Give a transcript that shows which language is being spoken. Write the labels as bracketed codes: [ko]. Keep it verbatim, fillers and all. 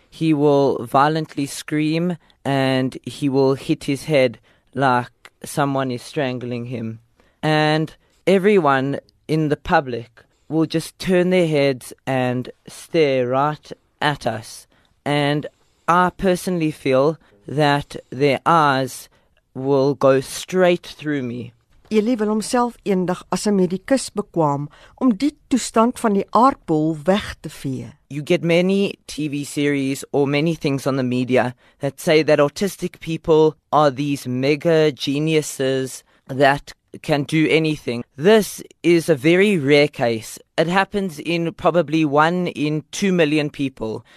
[en] He will violently scream and he will hit his head like someone is strangling him. And everyone in the public will just turn their heads and stare right at us. And I personally feel that their eyes will go straight through me. [af] Eli wil homself eendag as 'n medikus bekwam om die toestand van die aardbol weg te vee. [en] You get many T V series or many things on the media that say that autistic people are these mega geniuses that can do anything. This is a very rare case. It happens in probably one in two million people.